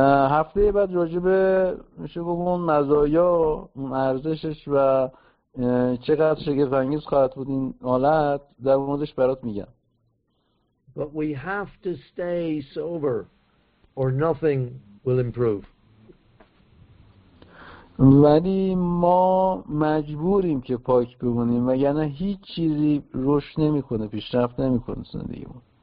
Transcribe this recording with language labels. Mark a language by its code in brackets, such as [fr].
[fa] هفته بعد راجع به شبون مزایا، ارزشش و چقدر شگفت‌انگیز خواهد بود این حالت در موردش برات میگم. [en] But we have to stay sober or nothing will improve. [fa] ولی ما مجبوریم که پاک بمونیم وگرنه هیچ چیزی رشد نمی‌کنه، پیشرفت نمی‌کنه زندگیمون.